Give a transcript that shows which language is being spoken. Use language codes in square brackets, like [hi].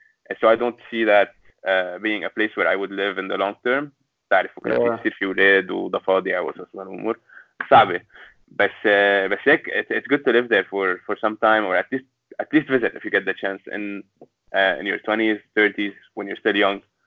[en] So I don't see that being a place where I would live in the long term. [ar] تعرف وكل شيء يصير في أولاد وضفادع وقصص من الأمور صعبة. بس بس هيك [en] it's good to live there for some time or at least visit if you get the chance in your 20s, 30s when you're still young.